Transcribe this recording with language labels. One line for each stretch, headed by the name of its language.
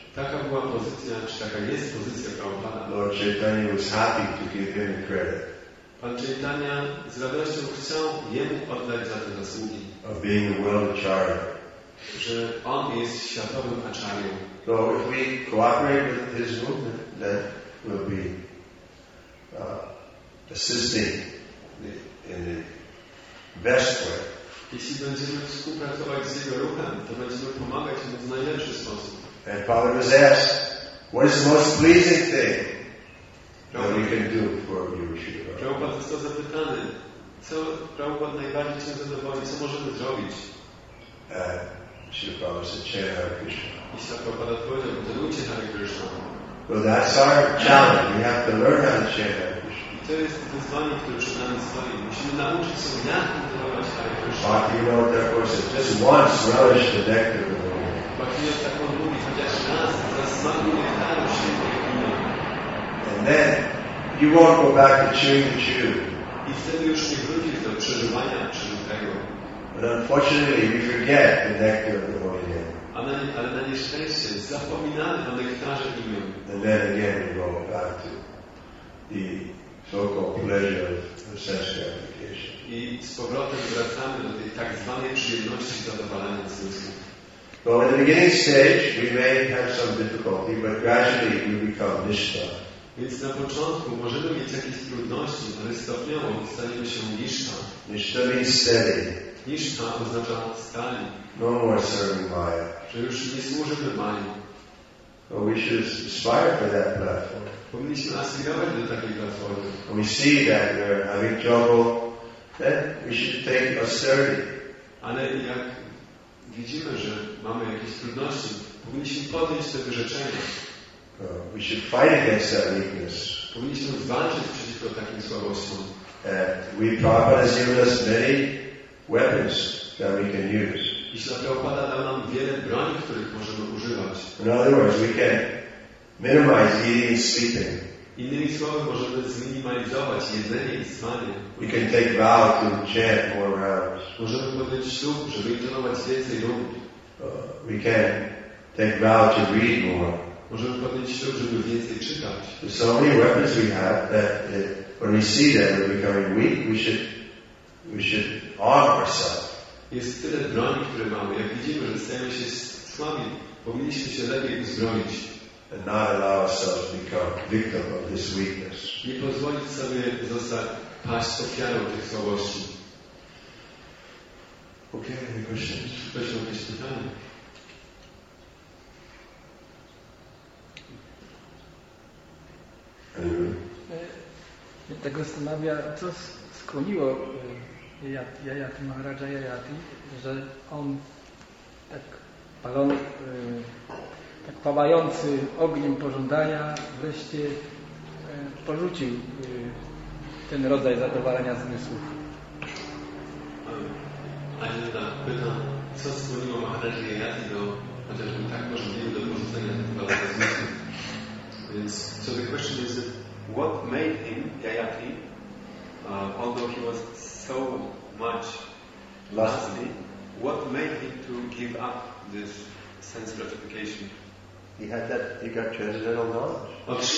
Polish: Taka była pozycja, czy taka jest pozycja Prabhupada.
English: Lord Chaitanya was happy to give him the credit.
Polish: Pan Chaitanya z radością chciał jemu oddać za te zasługi.
English: Of being a world acharya.
Polish: Że on jest światowym acharyą.
English: So if we cooperate with his movement, then we'll be assisting in the best way.
Polish: Jeśli będziemy współpracować z jego ruchem, to będziemy pomagać mu w najlepszy sposób.
English: And Father was asked, what is the most pleasing thing that we can do for you, Shiva?
Polish: Prabhupada został zapytany, co Prabhupada najbardziej cię zadowoli, co możemy zrobić?
English: Shiva Prabhupada said, chant Hare Krishna.
Polish: I Shiva Prabhupada odpowiedział, modeluj Hare Krishna.
English: So that's our challenge. We have to learn how to chant Hare Krishna.
Polish: I to jest wyzwanie, które przed nami stoi. Musimy nauczyć się, jak modelować Hare Krishna.
English: Bhakti Rao therefore said, just once relish the nectar of the Lord.
Polish: Bhakti Rao tak on mówi, chociaż raz, zasmakuj nektaru świętego imienia.
English: And then, you won't go back to chewing the chew.
Polish: I wtedy już nie wrócisz do przeżywania przeżytego.
English: But unfortunately, we forget the nectar of the holy name.
Polish: Ale na nieszczęście zapominamy o nektarze imion.
English: And then again, we go back to the so-called pleasure of sense gratification.
Polish: I z powrotem wracamy do tej tak zwanej przyjemności zadowalania zmysłu.
English: So in the beginning stage, we may have some difficulty, but gradually we become nishtha.
Polish: Więc na początku możemy mieć jakieś trudności, ale stopniowo staniemy się nishtha.
English: Nishtha means steady.
Polish: Nishtha oznacza stali.
English: No more serving Maya.
Polish: Że już nie służymy Maya.
English: But we should aspire for that platform.
Polish: Powinniśmy aspirować do takiej platformy.
English: When we see that we're having trouble, then we should take austerity.
Polish: Ale jak widzimy, że mamy jakieś trudności, powinniśmy podjąć te wyrzeczenia.
English: We should fight against that weakness.
Polish: Powinniśmy walczyć przeciwko takim słabościom.
English: We Prabhupada has given us many weapons that we can use.
Polish: I Śla Prabhupada dał nam wiele broni, których możemy używać.
English: In other words, we can minimize eating and sleeping.
Polish: Innymi słowy, możemy zminimalizować jedzenie i spanie.
English: We can take vow to chant more rounds.
Polish: Możemy podjąć ślub, żeby intonować więcej rund.
English: We can take vow to read more.
Polish: Możemy podjąć ślub, żeby więcej czytać.
English: There's so many weapons we have that when we see that we're becoming weak, we should arm ourselves.
Polish: jest tyle broni, które mamy. Jak widzimy, że stajemy się słabi, powinniśmy się lepiej uzbroić.
English: And not allow ourselves to become victim of this weakness.
Polish: Nie pozwolić sobie zostać paść ofiarą tych słabości.
English: Okay, any questions?
Polish: Ktoś ma jakieś pytanie? Mnie tak zastanawia, co skłoniło Jajati Maharaja Jajati, że on tak palony, tak pałający ogniem pożądania wreszcie porzucił ten rodzaj zadowalania zmysłów. Ajita pyta, co skłoniło Maharaja Jajati do chociażby tak pożądania do porzucenia tego zmysłów.
English: Więc, so the question is, what made him, Jayati, although he was so much lusty, what made him to give up this sense gratification? He got transcendental knowledge.